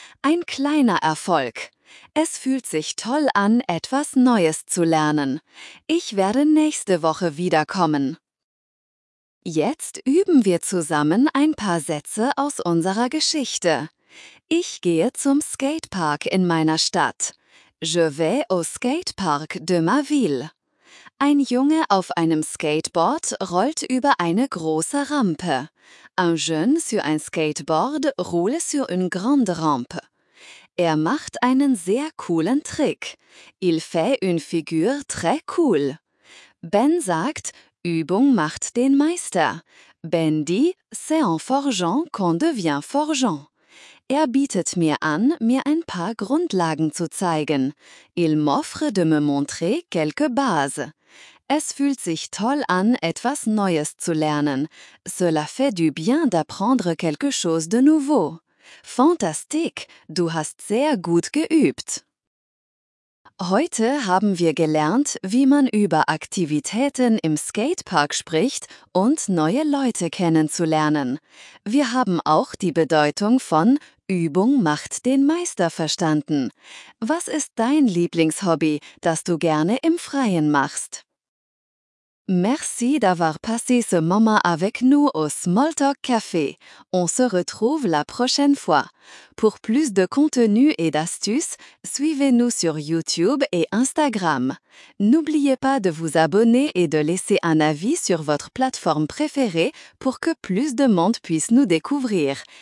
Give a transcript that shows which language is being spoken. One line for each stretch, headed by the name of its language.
German: Ein kleiner Erfolg. Es fühlt sich toll an, etwas Neues zu lernen. Ich werde nächste Woche wiederkommen. Jetzt üben wir zusammen ein paar Sätze aus unserer Geschichte. Ich gehe zum Skatepark in meiner Stadt.
French: Je vais au skatepark de ma ville.
German: Ein Junge auf einem Skateboard rollt über eine große Rampe.
French: Un jeune sur un skateboard roule sur une grande rampe.
German: Er macht einen sehr coolen Trick.
French: Il fait une figure très cool.
German: Ben sagt, Übung macht den Meister.
French: Ben dit, c'est en forgeant qu'on devient forgeant.
German: Er bietet mir an, mir ein paar Grundlagen zu zeigen.
French: Il m'offre de me montrer quelques bases.
German: Es fühlt sich toll an, etwas Neues zu lernen.
French: Cela fait du bien d'apprendre quelque chose de nouveau. Fantastique,
German: du hast sehr gut geübt. Heute haben wir gelernt, wie man über Aktivitäten im Skatepark spricht und neue Leute kennenzulernen. Wir haben auch die Bedeutung von Übung macht den Meister verstanden. Was ist dein Lieblingshobby, das du gerne im Freien machst?
French: Merci d'avoir passé ce moment avec nous au Smalltalk Café. On se retrouve la prochaine fois. Pour plus de contenu et d'astuces, suivez-nous sur YouTube et Instagram. N'oubliez pas de vous abonner et de laisser un avis sur votre plateforme préférée pour que plus de monde puisse nous découvrir.